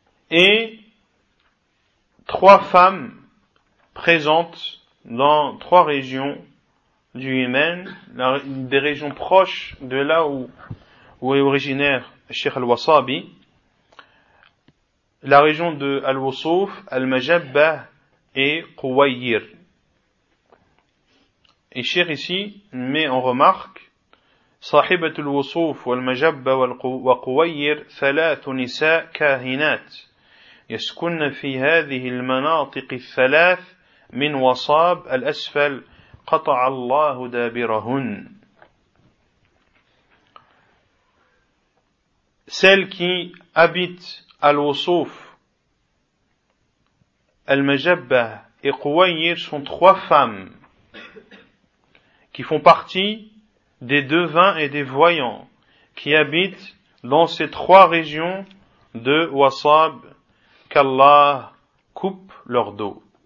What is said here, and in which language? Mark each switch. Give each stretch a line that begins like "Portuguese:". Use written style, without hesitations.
French: Et trois femmes présentes dans trois régions du Yémen, des régions proches de là où est originaire Cheikh Al-Wasabi, la région de Al-Wusuf, Al-Majabba et Quwayir. Et Cheikh ici met en remarque
Arabic: صاحبة الوصوف والمجبة وقوير ثلاث نساء كاهنات يسكن في هذه المناطق الثلاث من وصاب الأسفل قطع الله دابرهن.
French: Celles qui habitent Al-Wusuf, Al-Majabba et Quwayir sont trois femmes qui font partie des devins et des voyants qui habitent dans ces trois régions de Wasab qu'Allah coupe leur dos.